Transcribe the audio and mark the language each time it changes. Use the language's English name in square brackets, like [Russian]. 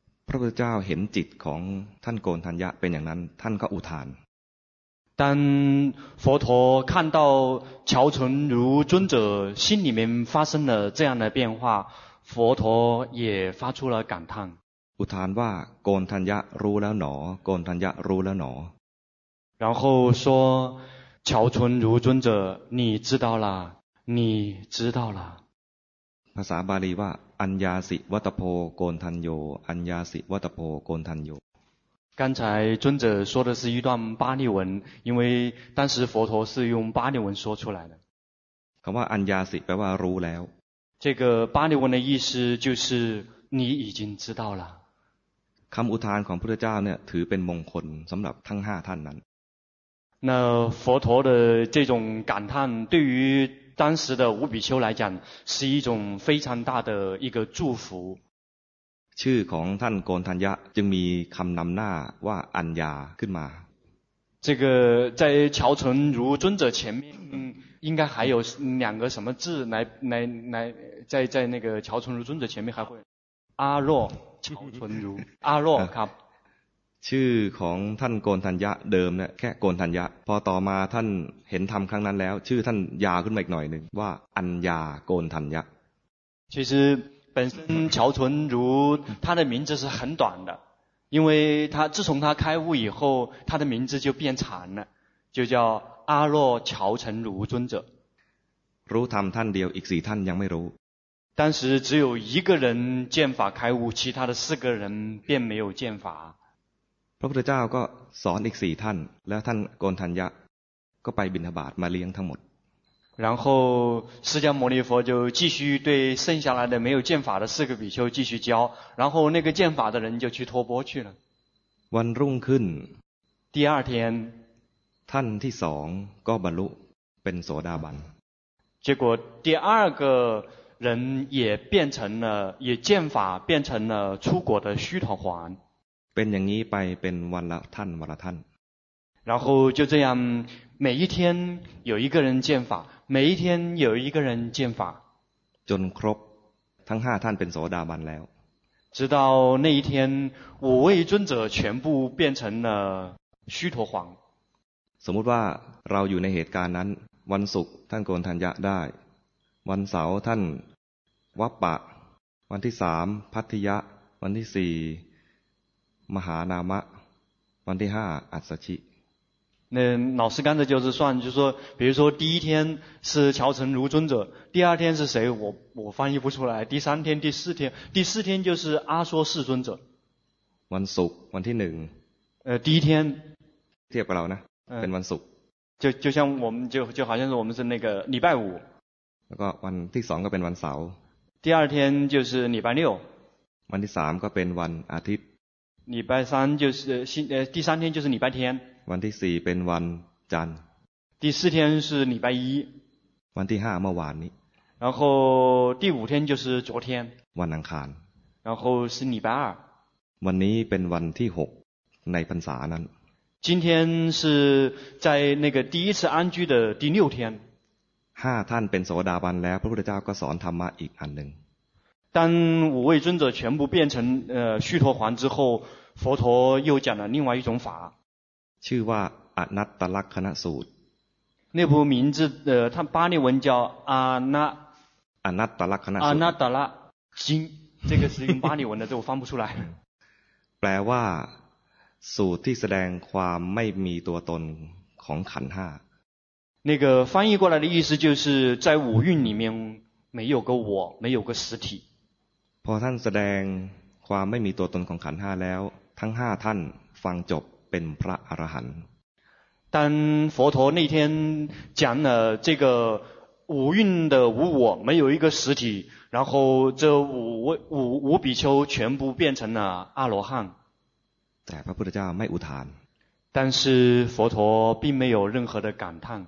[Thai] ระพุทธเจ้าเห็นจิตของท่านโกณฑัญญะเป็นอย่างนั้นท่านก็อุทาน [Chinese] 当佛陀看到乔纯如尊者心里面发生了这样的变化佛陀也发出了感叹 [Thai] อุทานว่าโกณฑัญญะรู้แล้วหนอโกณฑัญญะรู้แล้วหน [Chinese] อ然后说乔纯如尊者你知道了你知道了 [Thai] ภาษาบาลีว่าอัญญาสิวัตโพโกณฑัญโยอัญญาสิวัตโพโกณฑัญโย [Chinese] 刚才尊者说的是一段巴利文因为当时佛陀是用巴利文说出来的 [Thai] คำว่าอัญญาสิแปลว่ารู้แล้ว [Chinese] 这个巴利文的意思就是你已经知道了 [Thai] คำอุทานของพุทธเจ้าเนี่ยถือเป็นมงคลสำหรับทั้ง5ท่านนั้น [Chinese] 那佛陀的这种感叹对于当时的五比丘来讲是一种非常大的一个祝福 [Thai] ชื่อของท่านโกณฑัญญะจึงมีคำนำหน้าว่าอัญญาขึ้นมา [Chinese] 这个在乔纯如尊者前面应该还有两个什么字来在那个乔纯如尊者前面还会阿若乔纯如阿若 [Thai] ครับ ชื่อของท่านโกณฑัญญะเดิมเนี่ยแค่โกณฑัญญะพอต่อมาท่านเห็นธรรมครั้งนั้นแล้วชื่อท่านยาวขึ้นมาอีกหน่อยนึงว่าอัญญาโกณฑัญญะ [Chinese] 其实本身乔纯如他的名字是很短的因为他自从他开悟以后他的名字就变长了就叫阿若乔纯如尊者 [Thai] รู้ธรรมท่านเดียวอีก4ท่านยังไม่รู้ [Chinese] 当时只有一个人见法开悟其他的4个人便没有见法 [Thai] พระพุทธเจ้าก็สอนอีก4ท่านแล้วท่านโกณฑัญญะก็ไปบิณฑบาตมาเลี้ยงทั้งหมด [Chinese] 然后释迦牟尼佛就继续对剩下来的没有见法的四个比丘继续教然后那个见法的人就去托钵去了 [Thai] วันรุ่งขึ้น [Chinese] 第二天 [Thai] ท่านที่สองก็บรรลุเป็นโสดาบัน [Chinese] 结果第二个人也变成了也见法变成了出果的须陀洹 [Thai] เป็นอย่างนี้ไปเป็นวันละท่านวันละท่าน [Chinese] 然后就这样每一天有一个人见法每一天有一个人见法 [Thai] จนครบทั้ง5ท่านเป็นโสดาบันแล้ว [Chinese] 直到那一天五位尊者全部变成了须陀洹 [Thai] สมมุติว่าเราอยู่ในเหตุการณ์นั้นวันศุกร์ท่านโกณฑัญญะได้วันเสาร์ท่านวัปปะวันที่3ภัททิยะวันที่4มหานามะวันที่5อัสสชิ [Chinese] 那老师刚才就是算就是说比如说第一天是乔纯如尊者第二天是谁我翻译不出来第三天第四天第四天就是阿说世尊者 [Thai] วันศุกร์วันที่หนึ่ง [Chinese] 第一天 [Thai] เทียบกับเรานะเป็นวันศุกร์ [Chinese] 就像我们就好像是我们是那个礼拜五 [Thai] แล้วก็วันที่สองก็เป็นวันเสาร์ [Chinese] 第二天就是礼拜六 [Thai] วันที่สามก็เป็นวันอาทิตย์ [Chinese] 礼拜三就是第三天就是礼拜天 [Thai] วันที่4เป็นวันจันทร์ [Chinese] 第四天是礼拜一 [Thai] วันที่5เมื่อวานนี้ [Chinese] 然后第五天就是昨天 [Thai] วันอังคาร [Chinese] 然后是礼拜二 [Thai] วันนี้เป็นวันที่6ในพรรษานั้น [Chinese] 今天是在那个第一次安居的第六天 [Thai] 5ท่านเป็นโสดาบันแล้วพระพุทธเจ้าก็สอนธรรมะอีกอันนึง [Chinese] 当五位尊者全部变成须陀洹之后佛陀又讲了另外一种法 [Thai] ชื่อว่าอนัตตลักขณสูตร [Chinese] 那部名字它巴利文叫 [Thai] อนัตตลักขณสูตร [Chinese] อนัตตละ经这个是用巴利文的这我翻不出来 [Thai] แปลว่าสูตรที่แสดงความไม่มีตัวตนของขันธ์5 [Chinese] 那个翻译过来的意思就是在五蕴里面没有个我没有个实体 [Thai] พอท่านแสดงความไม่มีตัวตนของขันธ์5แล้วทั้ง5ท่านฟังจบเป็นพระอรหันต์ [Chinese] 当佛陀那天讲了这个五蕴的无我没有一个实体然后这五比丘全部变成了阿罗汉 [Thai] แต่พระพุทธเจ้าไม่อุทาน [Chinese] 但是佛陀并没有任何的感叹